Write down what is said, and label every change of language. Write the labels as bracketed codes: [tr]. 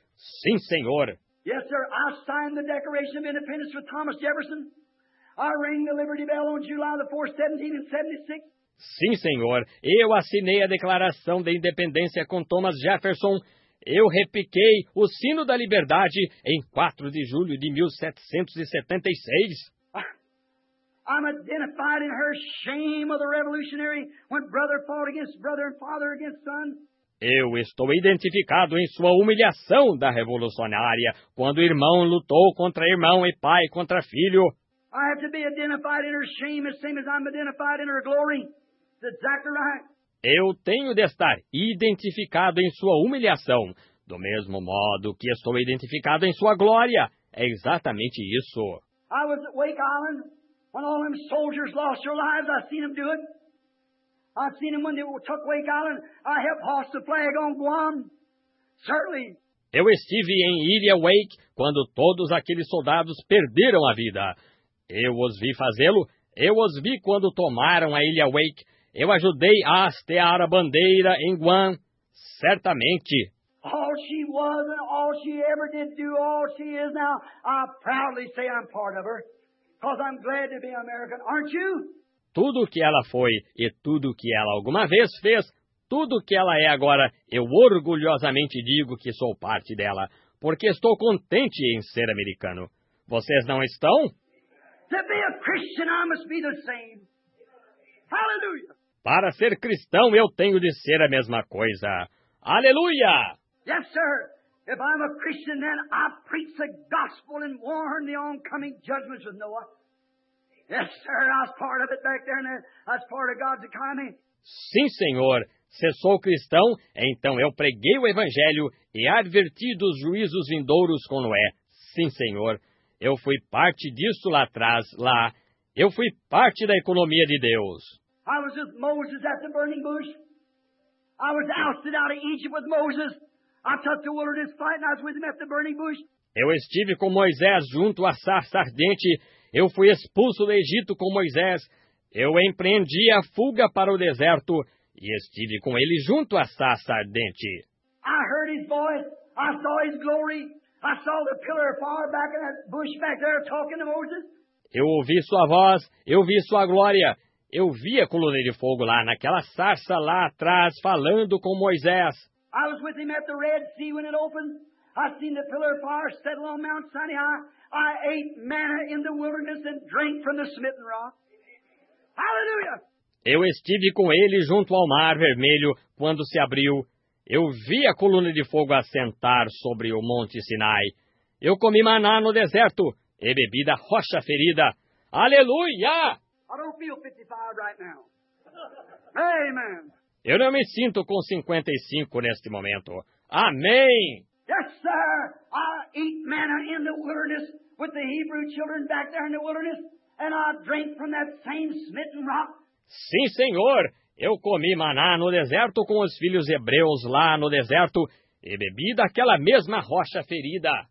[pt] Sim, senhor. [en] Yes, sir. I signed the Declaration of Independence with Thomas Jefferson. I rang the Liberty Bell on July the 4th, 1776. [pt] Sim, senhor. Eu assinei a Declaração de Independência com Thomas Jefferson. Eu repiquei o Sino da Liberdade em 4 de julho de 1776. [en] I'm identified in her shame of the revolutionary when brother fought against brother and father against son. [pt] Eu estou identificado em sua humilhação da revolucionária quando irmão lutou contra irmão e pai contra filho. [en] I have to be identified in her shame as same as I'm identified in her glory. That's exactly right. [pt] Eu tenho de estar identificado em sua humilhação do mesmo modo que estou identificado em sua glória. É exatamente isso. [en] I was at Wake Island. When all them soldiers lost their lives, I seen them do it. I seen them when they took Wake Island. I helped hoist the flag on Guam. Certainly. [pt] Eu estive em Ilha Wake quando todos aqueles soldados perderam a vida. Eu os vi fazê-lo. Eu os vi quando tomaram a Ilha Wake. Eu ajudei a hastear a bandeira em Guam. Certamente. [en] All she was and all she ever did do, all she is now, I proudly say I'm part of her. Because I'm glad to be American, aren't you? [pt] Tudo que ela foi e tudo que ela alguma vez fez, tudo que ela é agora, eu orgulhosamente digo que sou parte dela, porque estou contente em ser americano. Vocês não estão? [en] To be a Christian, I must be the same. Hallelujah! [pt] Para ser cristão, eu tenho de ser a mesma coisa. Aleluia! [en] Yes, sir. If I'm a Christian, then I preach the gospel and warn the oncoming judgments of Noah. Yes, sir, I was part of it back there, and I was part of God's economy. [pt] Sim, senhor. Se sou cristão, então eu preguei o evangelho e adverti dos juízos vindouros com Noé. Sim, senhor. Eu fui parte disso lá atrás, lá. Eu fui parte da economia de Deus. [en] I was with Moses at the burning bush. I was ousted out of Egypt with Moses. I touched the wilderness fight and I was with him at the burning bush. [pt] Eu estive com Moisés junto à sarça ardente. Eu fui expulso do Egito com Moisés. Eu empreendi a fuga para o deserto e estive com ele junto à sarça ardente. [en] I heard his voice. I saw his glory. I saw the pillar far back in that bush back there talking to Moses. [pt] Eu ouvi sua voz. Eu vi sua glória. Eu vi a coluna de fogo lá naquela sarça lá atrás falando com Moisés. [en] I was with him at the Red Sea when it opened. I seen the pillar of fire settle on Mount Sinai. I ate manna in the wilderness and drank from the smitten rock. Hallelujah! [pt] Eu estive com ele junto ao mar vermelho quando se abriu. Eu vi a coluna de fogo assentar sobre o Monte Sinai. Eu comi maná no deserto e bebi da rocha ferida. Aleluia! [en] I don't feel 55 right now. Amen! [pt] Eu não me sinto com 55 neste momento. Amém! [en] Yes, sir! I eat manna in the wilderness with the Hebrew children back there in the wilderness, and I drank from that same smitten rock. [pt] Sim, senhor! Eu comi maná no deserto com os filhos hebreus lá no deserto e bebi daquela mesma rocha ferida.